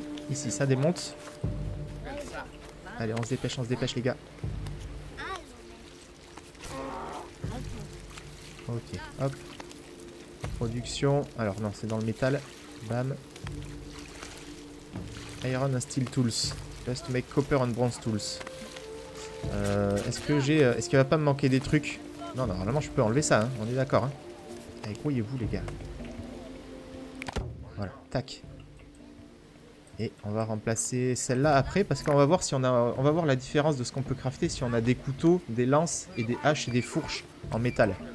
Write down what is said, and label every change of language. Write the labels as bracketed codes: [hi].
[fr] Ici, ça démonte. Allez, on se dépêche les gars. Ok, hop. Production, alors non, c'est dans le métal. Bam. [en] Iron and steel tools. Just to make copper and bronze tools. [fr] Est-ce qu'il va pas me manquer des trucs? Non, non, normalement je peux enlever ça, hein. On est d'accord. Hein. Allez, grouillez-vous les gars. Voilà, tac. Et on va remplacer celle-là après parce qu'on va voir si on a. On va voir la différence de ce qu'on peut crafter si on a des couteaux, des lances et des haches et des fourches en métal.